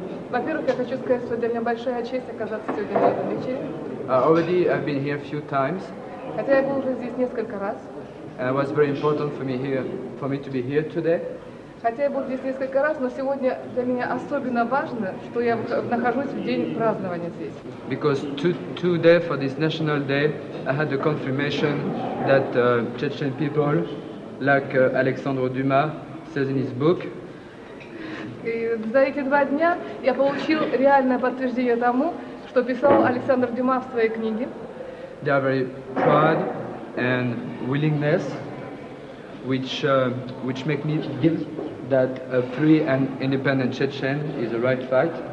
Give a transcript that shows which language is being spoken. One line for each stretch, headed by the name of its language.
Russian: Во-первых, я хочу сказать, что для меня большая честь оказаться сегодня на этом вечере.
English: Already I've been here a few times.
Russian: Хотя я был уже здесь несколько раз.
English: And it was very important for me to be here today.
Russian: Хотя я был здесь несколько раз, но сегодня для меня особенно важно, что я нахожусь в день празднования здесь.
English: Because today for this national day, I had the confirmation that Chechen people, like Alexandre Dumas says in his book.
Russian: И за эти два дня я получил реальное подтверждение тому, что писал Александр Дюма в своей книге.
English: They are very proud and willingness, which make me feel that a free and independent Chechen is a right fight.